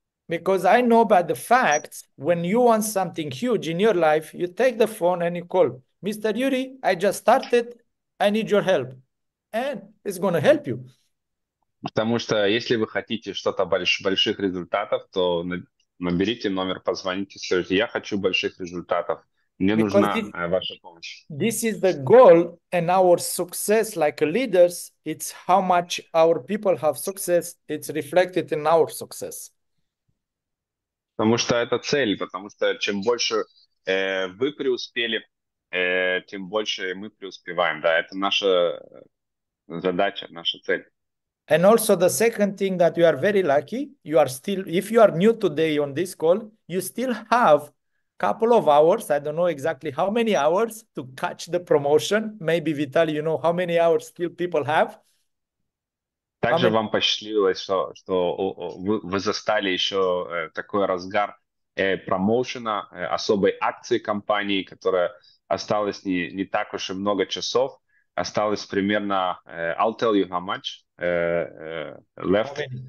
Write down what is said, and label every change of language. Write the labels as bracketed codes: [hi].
[en] Because I know by the facts, when you want something huge in your life, you take the phone and you call, Mr. Yuri, I just started, I need your help. And it's going to help you. [ru] Потому что если вы хотите что-то больших результатов, то наберите номер, позвоните, скажите, я хочу больших результатов, мне [en] Because [ru] нужна ваша помощь. [en] this is the goal and our success like leaders, it's how much our people have success, it's reflected in our success. [ru] Потому что это цель, потому что чем больше вы преуспели, тем больше мы преуспеваем. Да, это наша задача, наша цель. [en] And also the second thing that you are very lucky, you are still, if you are new today on this call, you still have a couple of hours, I don't know exactly how many hours to catch the promotion. Maybe Vitaly, you know how many hours still people have? How [ru] Также [en] many? [ru] вам посчастливилось, что вы застали еще такой разгар промоушена, особой акции компании, которая осталось не так уж и много часов. Осталось примерно, [en] I'll tell you how much left.